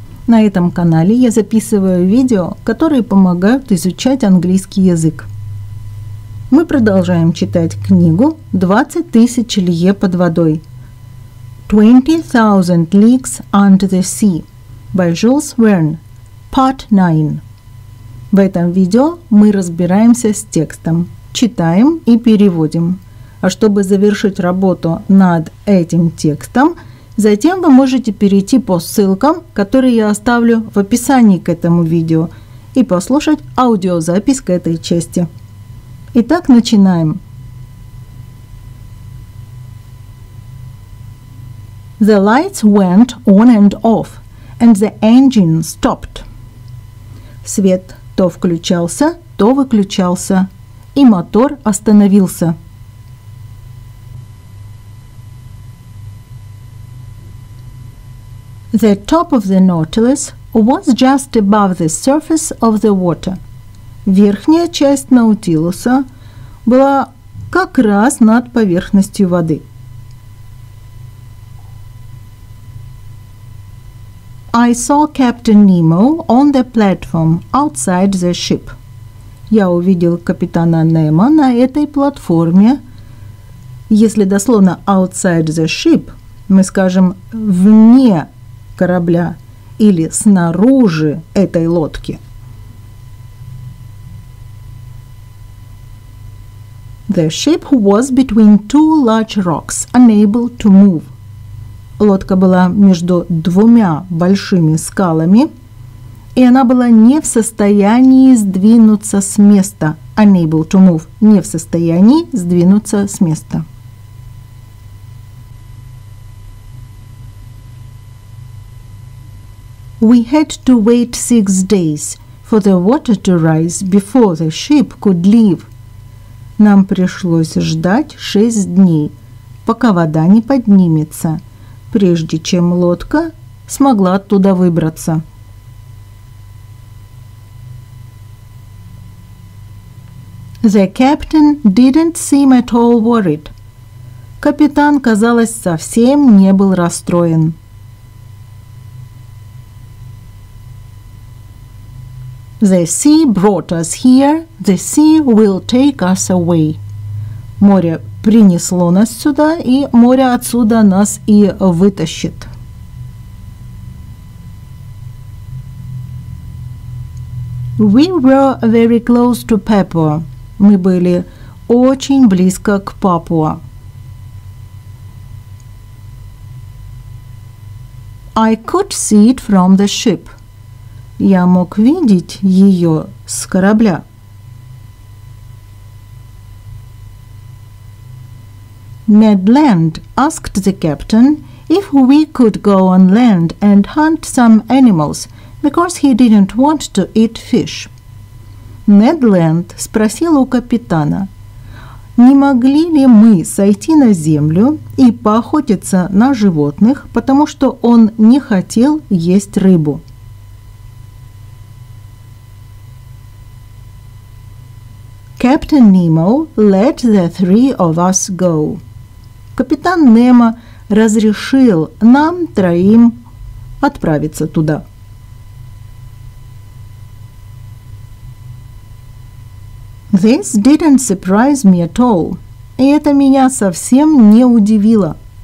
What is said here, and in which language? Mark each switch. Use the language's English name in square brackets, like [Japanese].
[Russian] На этом канале я записываю видео, которые помогают изучать английский язык. Мы продолжаем читать книгу «20 тысяч лье под водой». [English] 20,000 leagues under the sea by Jules Verne, part 9. [Russian] В этом видео мы разбираемся с текстом, читаем и переводим. А чтобы завершить работу над этим текстом, затем вы можете перейти по ссылкам, которые я оставлю в описании к этому видео, и послушать аудиозапись к этой части. Итак, начинаем. [English] The lights went on and off, and the engine stopped. [Russian] Свет то включался, то выключался, и мотор остановился. [English] The top of the Nautilus was just above the surface of the water. [Russian] Верхняя часть Наутилуса была как раз над поверхностью воды. [English] I saw Captain Nemo on the platform outside the ship. [Russian] Я увидел капитана Немо на этой платформе. Если дословно [English] outside the ship, [Russian] мы скажем вне корабля или снаружи этой лодки. [English] The ship was between two large rocks, unable to move. [Russian] Лодка была между двумя большими скалами, и она была не в состоянии сдвинуться с места. [English] Unable to move. [Russian] Не в состоянии сдвинуться с места. [English] We had to wait 6 days for the water to rise before the ship could leave. [Russian] Нам пришлось ждать 6 дней, пока вода не поднимется, прежде чем лодка смогла оттуда выбраться. [English] The captain didn't seem at all worried. [Russian] Капитан, казалось, совсем не был расстроен. [English] The sea brought us here, the sea will take us away. [Russian] Море принесло нас сюда, и море отсюда нас и вытащит. [English] We were very close to Papua. [Russian] Мы были очень близко к Папуа. [English] I could see it from the ship. [Russian] Я мог видеть ее с корабля. [English] Нед Ленд asked the captain if we could go on land and hunt some animals, because he didn't want to eat fish. [Russian] Нед Ленд спросил у капитана, не могли ли мы сойти на землю и поохотиться на животных, потому что он не хотел есть рыбу. [English] Captain Nemo let the three of us go. [Russian] Капитан Немо разрешил нам троим отправиться туда. [English] This didn't surprise me at all. [Russian] И это меня совсем не удивило.